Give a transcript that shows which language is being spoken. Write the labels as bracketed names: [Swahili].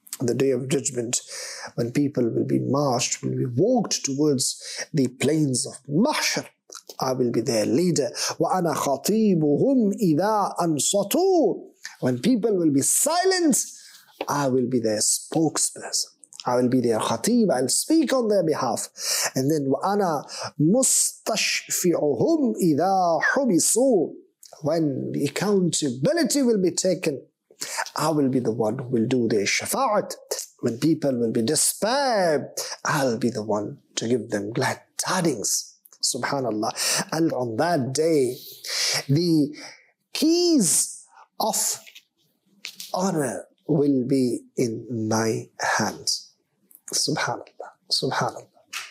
[English] The day of judgment, when people will be marched, will be walked towards the plains of Mahshar, I will be their leader. [Arabic] وَأَنَا خَطِيبُهُمْ إِذَا أَنْصَتُوا. [English] When people will be silent, I will be their spokesperson. I will be their khatib. I'll speak on their behalf. And then, [Arabic] وَأَنَا مُسْتَشْفِعُهُمْ إِذَا حُبِسُوا. [English] When the accountability will be taken, I will be the one who will do their shafa'at. When people will be despaired, I'll be the one to give them glad tidings. Subhanallah. And on that day, the keys of honor will be in my hands. Subhanallah. Subhanallah.